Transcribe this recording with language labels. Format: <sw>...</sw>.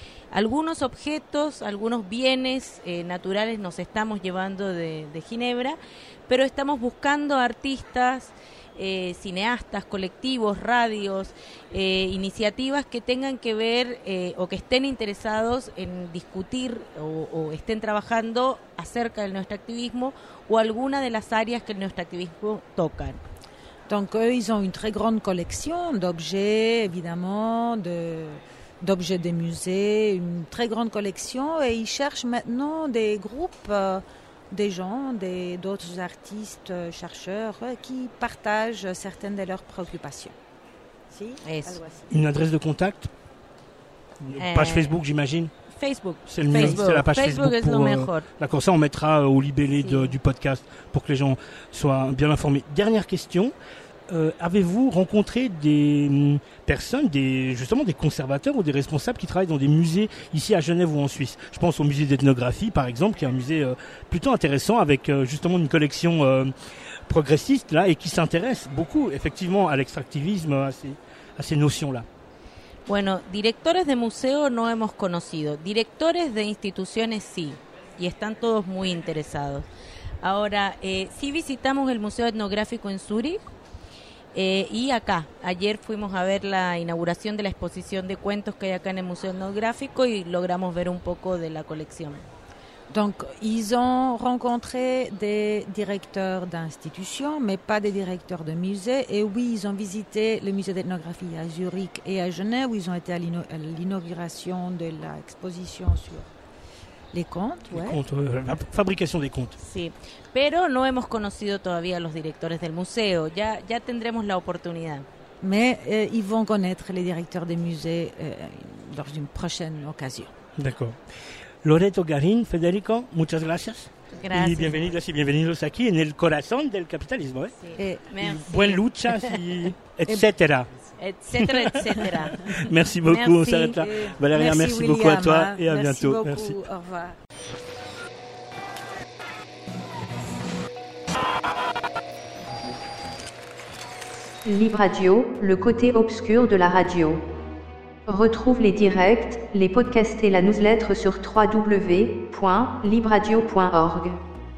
<es>Algunos objetos, algunos bienes naturales nos estamos llevando de Ginebra, pero estamos buscando artistas, cineastas, colectivos, radios, iniciativas que tengan que ver o que estén interesados en discutir o estén trabajando acerca del neoextractivismo o alguna de las áreas que el neoextractivismo toca.</es> <fr>Donc eux, ils ont une très grande collection d'objets, évidemment, d'objets de musées, une très grande collection, et ils cherchent maintenant des groupes. Des gens, d'autres artistes, chercheurs qui partagent certaines de leurs préoccupations.</fr> <es>Si?</es> <fr>Une adresse de contact? Page Facebook, j'imagine. Facebook. C'est le mieux. C'est la page Facebook. Facebook pour, d'accord, ça on mettra au libellé du podcast pour que les gens soient bien informés. Dernière question. Avez-vous rencontré des personnes, justement des conservateurs ou des responsables qui travaillent dans des musées ici à Genève ou en Suisse? Je pense au musée d'ethnographie, par exemple, qui est un musée plutôt intéressant avec justement une collection progressiste là et qui s'intéresse beaucoup, effectivement, à l'extractivisme, à ces notions-là.</fr> <es>Bueno, directores de museo no hemos conocido. Directores de instituciones sí, y están todos muy interesados. Ahora, sí visitamos el Museo Etnográfico en Zurich. Y acá, ayer fuimos a ver la inauguración de la exposición de cuentos que hay acá en el Museo Etnográfico y logramos ver un poco de la colección.</es> <fr>Donc, ils ont rencontré des directeurs d'institutions, mais pas des directeurs de musées. Et oui, ils ont visité le Musée d'Ethnographie à Zurich et à Genève, où ils ont été à l'inauguration de l'exposition sur les contes. Les contes, la fabrication des contes.</fr> <es>Sí. Pero no hemos conocido todavía a los directores del museo. Ya tendremos la oportunidad.</es> <fr>Mais ils vont connaître les directeurs des musées dans une prochaine occasion. D'accord.</fr> <es>Loreto Garín, Federico, muchas gracias. Gracias. Y bienvenidas y bienvenidos aquí en el corazón del capitalismo. ¿Eh? Sí. Buen lucha, y etcétera. Etcétera, etcétera.</es> <fr>Merci beaucoup, merci. On s'arrête là. Valeria, merci beaucoup à toi et à bientôt. Merci beaucoup, au revoir. Libre Radio, le côté obscur de la radio. Retrouve les directs, les podcasts et la newsletter sur www.libradio.org.</fr>